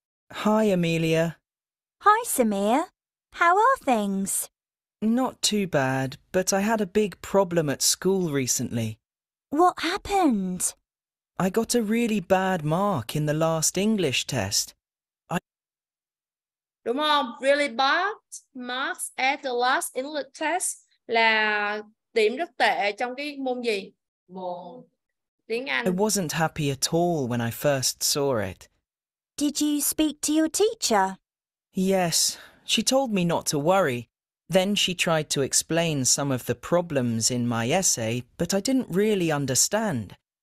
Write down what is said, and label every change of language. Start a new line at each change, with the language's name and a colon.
English: Hi, Amelia. Hi, Samir. How are things? Not too bad, but I had a big problem at school recently. What happened? I got a really bad mark in the last English test.
Vietnamese: Đúng không? Really bad marks at the last English test là điểm rất tệ trong cái môn gì?
English: I wasn't happy at all when I first saw it. Did you speak to your teacher? Yes. She told me not to worry. Then she tried to explain some of the problems in my essay, but I didn't really understand.